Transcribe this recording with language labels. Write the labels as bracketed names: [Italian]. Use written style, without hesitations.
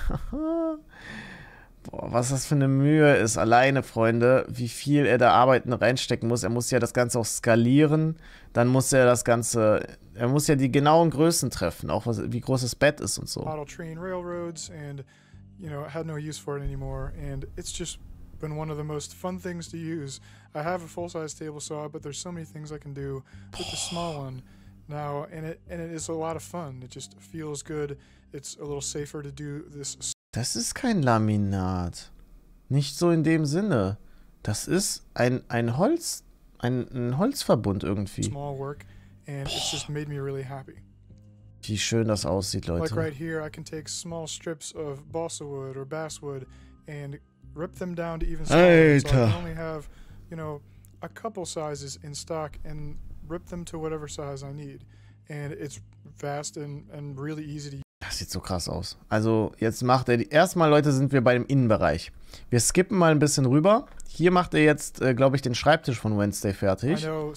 [German] Boah, was das für eine Mühe ist, alleine, Freunde, wie viel er da arbeiten reinstecken muss. Er muss ja das Ganze auch skalieren, dann muss er das Ganze, er muss ja die genauen Größen treffen, auch was, wie groß das Bett ist und so. [English] Model Train Railroads and, you know, had no use for it anymore and it's just been one of the most fun things to use. I have a full-size table saw, but there's so many things I can do with the small one now and it is a lot of fun. It just feels good. It's a little safer to do this. [German] Das ist kein Laminat. Nicht so in dem Sinne. Das ist ein Holzverbund irgendwie. [English] Small work and it's just made me really happy. [German] Wie schön das aussieht, Leute. [English] Like right here I can take small strips of balsa wood or basswood and rip them down to even smaller. So I only have, you know, a couple sizes in stock and rip them to whatever size I need. And it's fast and really easy to use. [German] Das sieht so krass aus. Also jetzt macht er, erstmal Leute, sind wir bei dem Innenbereich. Wir skippen mal ein bisschen rüber. Hier macht er jetzt, glaube ich, den Schreibtisch von Wednesday fertig.